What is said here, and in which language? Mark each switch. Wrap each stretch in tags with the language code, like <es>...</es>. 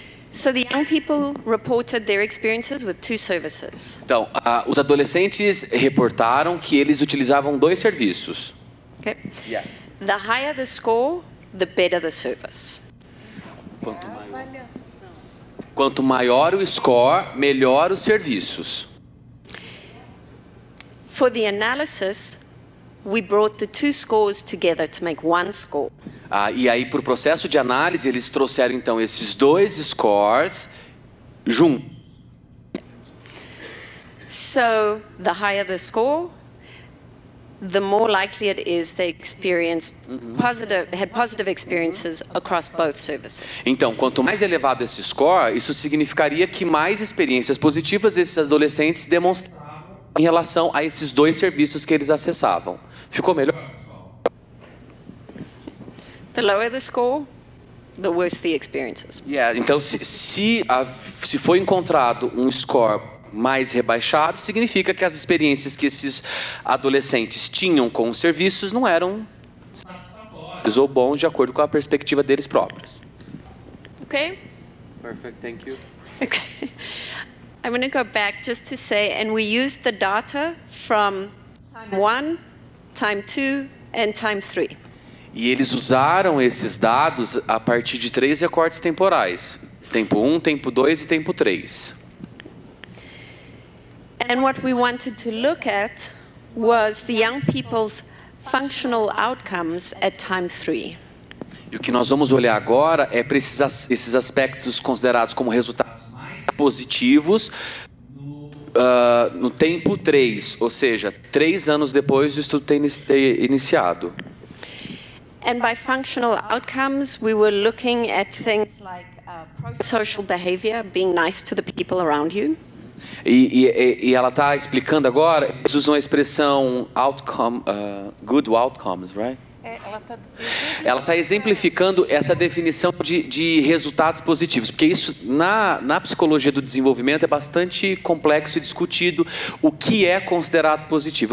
<en>So the young people reported their experiences with two services.</en> <pt>Então, os adolescentes reportaram que eles utilizavam dois serviços.</pt> <en>Okay. Yeah. The higher the score, the better the service.</en> <pt>Quanto maior o score, melhor os serviços.</pt> <en>For the analysis, we brought the two scores together to make one score.</en> <pt>E aí, para o processo de análise, eles trouxeram, então, esses dois scores juntos.</pt> <en>So, the higher the score, the more likely it is they experienced had positive experiences across both services.</en> <pt>Então, quanto mais elevado esse score, isso significaria que mais experiências positivas esses adolescentes demonstravam em relação a esses dois serviços que eles acessavam. Ficou melhor?</pt> <en>The lower the score, the worse the experiences.</en> <pt>Yeah, então, se foi encontrado um score mais rebaixado, significa que as experiências que esses adolescentes tinham com os serviços não eram satisfatórias ou bons, de acordo com a perspectiva deles próprios. Ok?</pt> <en>Perfect, thank you. Okay. I'm going to go back just to say, and we used the data from time 1, time 2, and time 3.</en> <pt>E eles usaram esses dados a partir de três recortes temporais. Tempo 1, tempo 2 e tempo 3.</pt> <en>And what we wanted to look at was the young people's functional outcomes at time 3.</en> <pt>E o que nós vamos olhar agora é para esses aspectos considerados como resultados mais positivos no tempo 3, ou seja, três anos depois do estudo ter iniciado.</pt> <en>And by functional outcomes, we were looking at things like pro-social behavior, being nice to the people around you.</en> <pt>E ela está explicando agora, eles usam a expressão outcome,</pt> <en>good outcomes, right?</en> <pt>Ela está exemplificando essa definição de resultados positivos, porque isso na psicologia do desenvolvimento é bastante complexo e discutido o que é considerado positivo.</pt>